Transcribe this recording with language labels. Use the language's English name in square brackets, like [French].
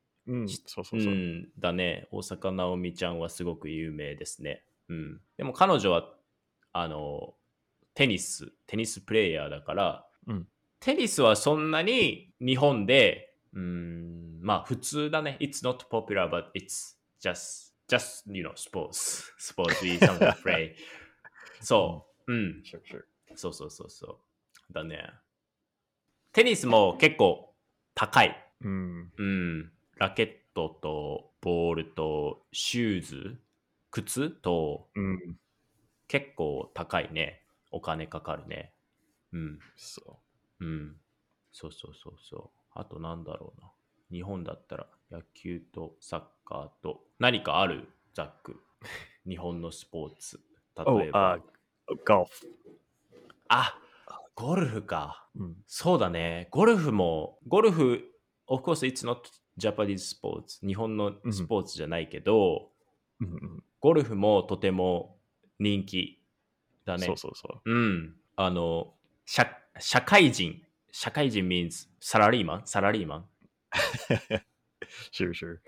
[Japanese] うん、そう、うん、だね。大阪ナオミちゃんはすごく有名ですね。うん、でも彼女はあのテニスプレイヤーだから、うん、テニスはそんなに日本で、うん、まあ普通だね。 [English] It's not popular, but it's just you know sports. Sports is something to play. そう、うん、 sure. [Japanese] そうだね。テニスも結構高い。うん、うん、ラケットとボールとシューズ、靴と、うん、結構高いね。お金かかるね。うん、そう。うん、そう。あとなんだろうな。日本だったら野球とサッカーと何かある？ザック。日本のスポーツ。例えば。ゴルフ。あ、ゴルフか、うん。そうだね。 [English] ゴルフも、ゴルフ、of course it's not Japanese sports. [Japanese] 日本のスポーツじゃないけど、うん、ゴルフもとても人気だね。そう。うん。あの、社会人。社会人 means サラリーマン [English] Sure.